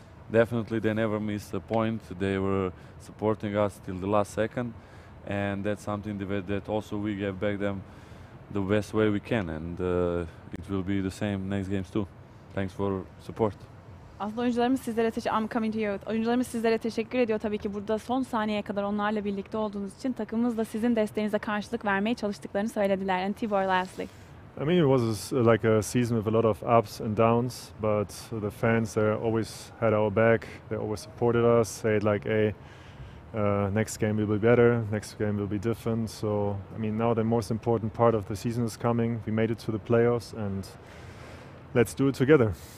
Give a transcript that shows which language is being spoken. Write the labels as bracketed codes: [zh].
[en] Definitely, they never miss a point. They were supporting us till the last second, and that's something that also we gave back them the best way we can, and it will be the same next games too. Thanks for support. [tr] Aslında oyuncularımız sizlere [en] I'm coming to you. [tr] Oyuncularımız sizlere teşekkür ediyor tabii ki burada son saniyeye kadar onlarla birlikte olduğunuz için. Takımımız da sizin desteğinize karşılık vermeye çalıştıklarını söylediler. [en] And Tibor, lastly. I mean, it was like a season with a lot of ups and downs, but the fans, they always had our back. They always supported us. Said like, hey, next game will be better, next game will be different. So, I mean, now the most important part of the season is coming. We made it to the playoffs, and let's do it together.